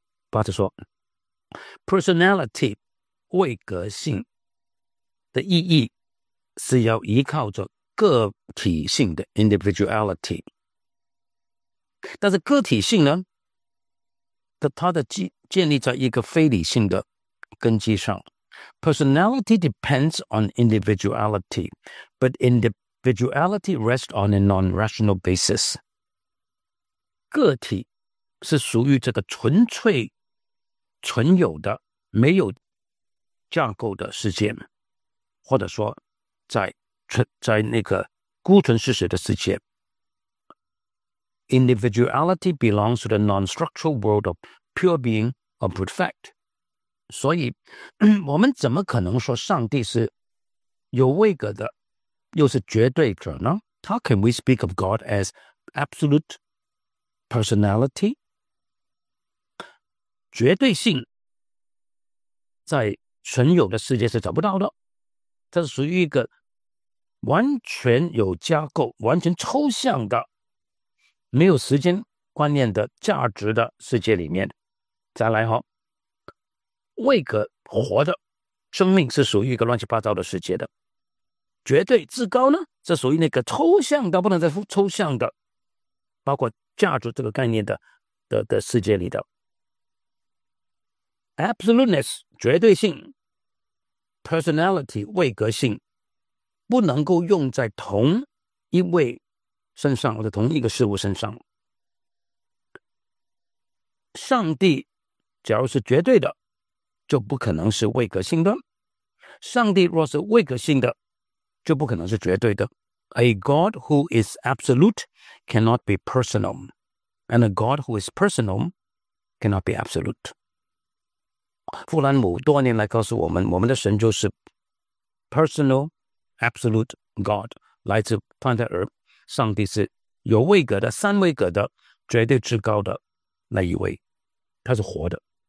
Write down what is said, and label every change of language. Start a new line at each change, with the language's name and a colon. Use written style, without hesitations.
Chinese: 巴特说 personality 位格性的意义是要依靠着个体性的 individuality， 但是个体性呢，它的建立在一个非理性的根基上。
English: Personality depends on individuality, but individuality rests on a non-rational basis.
Chinese: 个体是属于这个纯粹存有的没有架构的世界，或者说 在那个孤存事实的世界。
English: Individuality belongs to the non-structural world of pure being or brute fact.
Chinese: 所以我们怎么可能说上帝是有位格的又是绝对者呢？
English: How can we speak of God as absolute personality?
Chinese: 绝对性在存有的世界是找不到的，它是属于一个完全有架构完全抽象的没有时间观念的价值的世界里面。再来哈，位格活的生命是属于一个乱七八糟的世界的，绝对至高呢，是属于那个抽象的不能再抽象的包括价值这个概念 的世界里的。 Absoluteness 绝对性， Personality 位格性不能够用在同一位身上或者同一个事物身上。上帝假如是绝对的，就不可能是位格性的。上帝若是位格性的，就不可能是绝对的。
English: A God who is absolute cannot be personal, and a God who is personal cannot be absolute.
Chinese: 弗兰姆多年来告诉我们，我们的神就是
English: personal, absolute God,
Chinese: 来自范泰尔，上帝是有位格的，三位格的，绝对至高的那一位，他是活的。